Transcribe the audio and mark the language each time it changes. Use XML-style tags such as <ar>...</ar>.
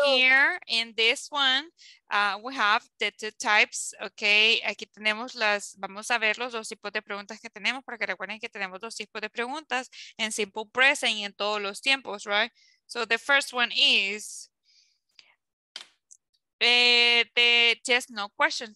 <en>Here in this one, we have the two types, ok.</en> <es>Aquí tenemos las, vamos a ver los dos tipos de preguntas que tenemos, porque recuerden que tenemos dos tipos de preguntas en simple present y en todos los tiempos, right?</es> <en>So the first one is, the yes no question.</en>